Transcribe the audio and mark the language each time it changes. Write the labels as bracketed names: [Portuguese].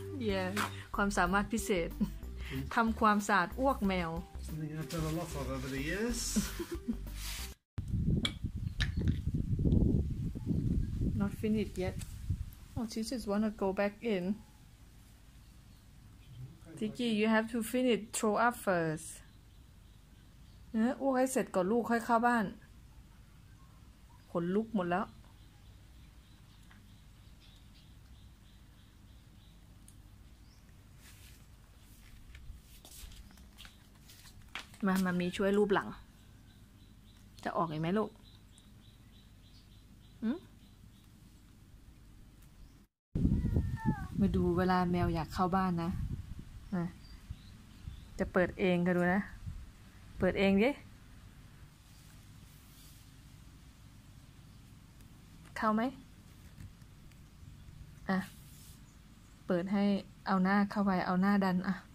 [Thai] yeah ความสามารถพิเศษทำความสะอาดอ้วกแมว [English] something I've done a lot of over the years not finished yet. Oh, she just wanna go back in. Tiki, you have to finish throw up first. [Thai] เอออ้วกให้เสร็จก่อนลูกค่อยเข้าบ้านขนลุกหมดแล้ว มามามีช่วยรูปหลังจะออกไหมลูกมาดูเวลาแมวอยากเข้าบ้านนะจะเปิดเองก็ดูนะเปิดเองดิเข้าไหมอ่ะเปิดให้เอาหน้าเข้าไปเอาหน้าดันอ่ะ